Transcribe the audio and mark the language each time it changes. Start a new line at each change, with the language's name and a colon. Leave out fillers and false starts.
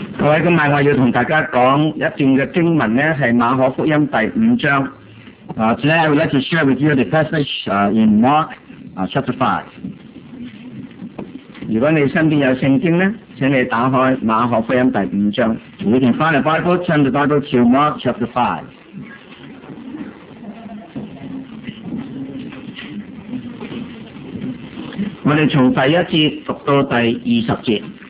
Cantonese: 位，今晚我要同大家讲一段嘅经文咧，系马可福音第五章。
English: Today I would like to share with you the passage in Mark chapter 5.
Cantonese: 如果你身边有圣经咧，请你打开马可福音第五章。
English: You can find a Bible, turn the Bible to Mark chapter 5.
Cantonese: 我们从第一节读到第二十节。